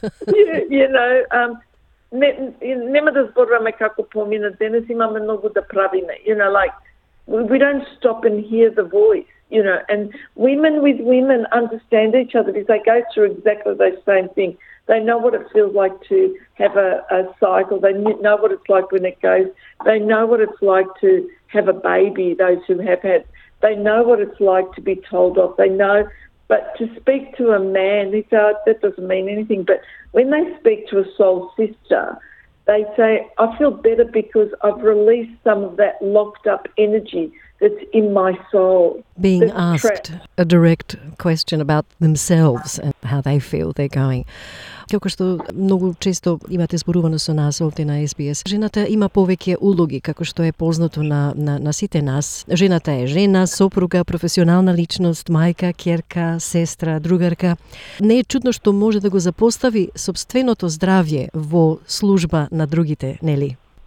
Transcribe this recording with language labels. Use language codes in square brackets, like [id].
[en] You know, [mk] нема да зборуваме како помина денес, имаме многу да правиме. [en] You know, like, we don't stop and hear the voice, you know. And women with women understand each other because they go through exactly the same thing. They know what it feels like to have a cycle. They know what it's like when it goes. They know what it's like to have a baby, those who have had. They know what it's like to be told off. They know. But to speak to a man, they say, oh, that doesn't mean anything. But when they speak to a soul sister, they say, I feel better because I've released some of that locked up energy that's in my soul. Being asked a direct question about themselves and how they feel they're going. [mk] Како што многу често имате зборувано со нас овде на SBS, жената има повеќе улоги, како што е познато на сите нас. Жената е жена, сопруга, професионална личност, мајка, ќерка, сестра, другарка. Не е чудно што може да го запостави собственото здравје во служба на другите, нели?